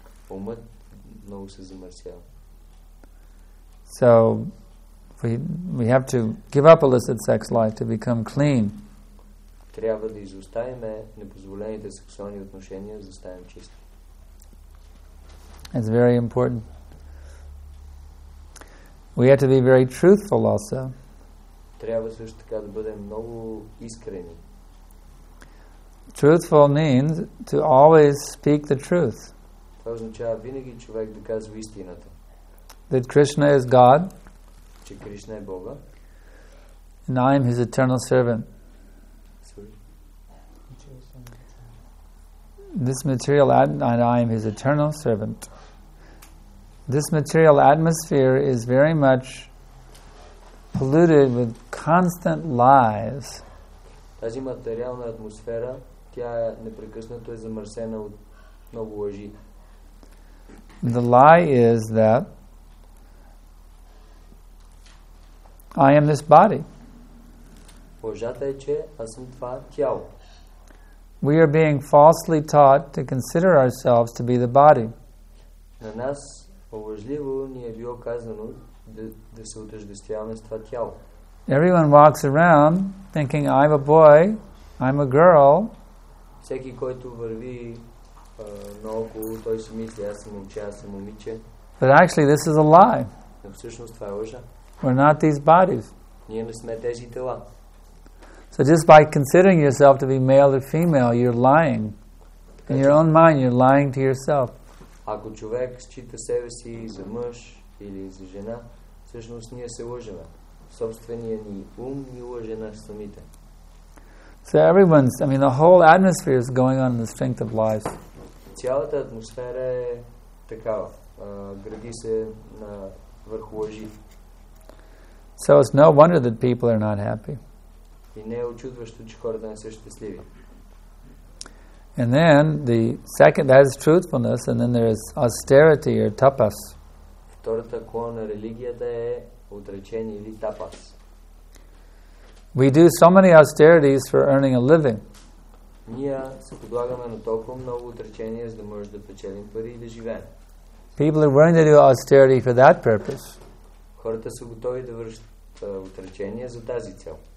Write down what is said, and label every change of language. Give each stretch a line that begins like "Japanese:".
Bulgarian: Умът много се замърсява.
English: So we have to give up illicit sex life to become clean.
Bulgarian: Трябва да изоставим непозволените сексуални отношения, за да станем чисти.
English: It's very important. We have to be very truthful also.
Bulgarian: Трябва също така да бъдем много искрени.
English: Truthful means to always speak the truth.
Bulgarian: Това означава винаги човек да казва истината.
English: That Krishna is God.
Bulgarian: Че Кришна е Бога.
English: And I am His eternal servant. This material and I am His eternal servant. This material atmosphere is very much polluted with constant lies.
Bulgarian: Тази материална атмосфера, тя непрекъснато е замърсена от много лъжи.
English: The lie is that I am this body.
Bulgarian: Лъжата е, че аз съм това тяло.
English: We are being falsely taught to consider ourselves to be the body.
Bulgarian: На нас лъжливо ни е било казано да се отъждествяваме с това тяло.
English: Everyone walks around thinking I'm a boy, I'm a girl.
Bulgarian: Всеки, който върви наоколо, той си мисли аз съм момче, аз съм момиче.
English: But actually this is a lie.
Bulgarian: Но всъщност това е лъжа.
English: We're not these bodies.
Bulgarian: Ние не сме тези тела.
English: So just by considering yourself to be male or female, you're lying. In your own mind, you're lying to yourself.
Bulgarian: Ако човек счита себе си за мъж или за жена, всъщност ние се лъжеме. Собствения ни ум ни лъже на самите.
English: So everyone's, I mean, the whole atmosphere is going on in the strength of lies.
Bulgarian: Цялата атмосфера е такава. Гради се на върху лъжи.
English: So it's no wonder that people are not happy.
Bulgarian: И не е очудващо, че хората не са щастливи.
English: And then the second, that is truthfulness, and then there is austerity or tapas.
Bulgarian: Втората колона на религията е отречение или тапас.
English: We do so many austerities for earning a living.
Bulgarian: Ние се подлагаме на толкова много отречения, за да може да печелим пари и да живеем.
English: People are willing to do austerity for that purpose.
Bulgarian: Хората са готови да вършат отречение за тази цел.